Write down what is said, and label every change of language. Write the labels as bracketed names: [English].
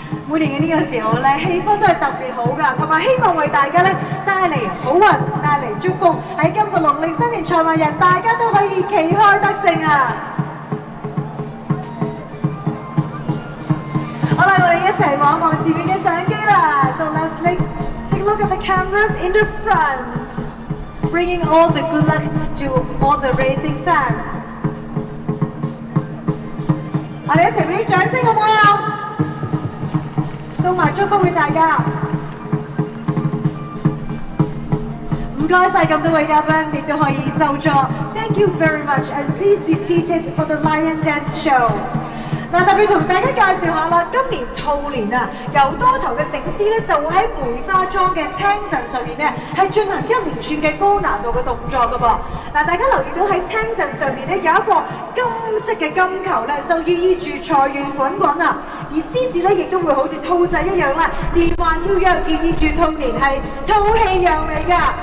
[Cantonese] 每年的这个时候，气氛都是特别好的，而且希望为大家带来好运，带来祝福，在今个农历新年赛马日大家都可以旗开得胜。好了，我们一起望一望自己的相机了。 [English] So let's take a look at the cameras in the front, bringing all the good luck to all the racing fans. [Cantonese] 我们一起给你掌声好不好？送埋祝福给大家。唔该晒咁多位嘉宾，亦都可以就座。 [English] Thank you very much, and please be seated for the Lion Dance Show. [Cantonese] 特別同大家介紹一下，今年兔年有多頭的醒獅就會在梅花莊的青鎮上面是進行一連串的高難度的動作的。大家留意到在青鎮上面有一個金色的金球就寓意著財源滾滾，而獅子亦都會好像兔仔一樣連環跳躍，寓意著兔年是兔氣揚眉的。